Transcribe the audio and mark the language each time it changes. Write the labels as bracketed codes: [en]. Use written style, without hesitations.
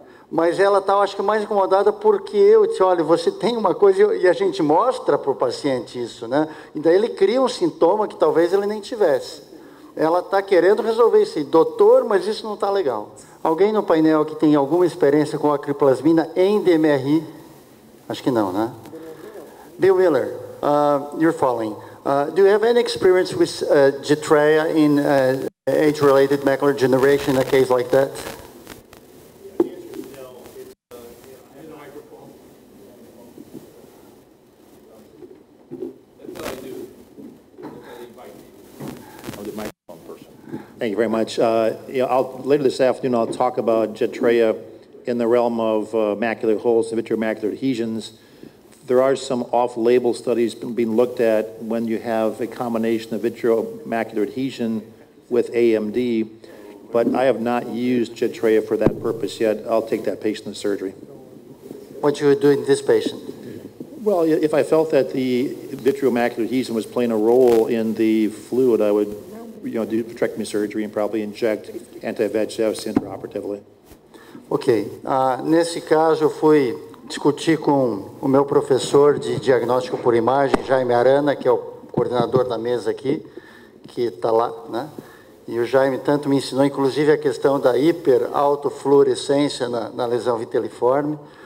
[pt] Mas ela está, acho que, mais incomodada porque eu disse: olha, você tem uma coisa, e a gente mostra para o paciente isso, né? E daí ele cria um sintoma que talvez ele nem tivesse. Ela está querendo resolver isso aí. Doutor, mas isso não está legal. Alguém no painel que tem alguma experiência com acriplasmina em DMRI? Acho que não, né? [en] Bill Miller, you're following. Do you have any experience with Jitrea in age-related macular degeneration in a case like that? Thank you very much. Later this afternoon, I'll talk about Jitrea in the realm of macular holes and vitreomacular adhesions. There are some off-label studies being looked at when you have a combination of vitreomacular adhesion with AMD, but I have not used Jitrea for that purpose yet. I'll take that patient to surgery. What you would do in this patient? Well, if I felt that the vitreomacular adhesion was playing a role in the fluid, I would, you know, do vitrectomy surgery and probably inject anti-VEGFs intraoperatively. Ok. [pt] Nesse caso, eu fui discutir com o meu professor de diagnóstico por imagem, Jaime Arana, que é o coordenador da mesa aqui, que está lá, né? E o Jaime tanto me ensinou, inclusive, a questão da hiperautofluorescência na lesão vitelliforme.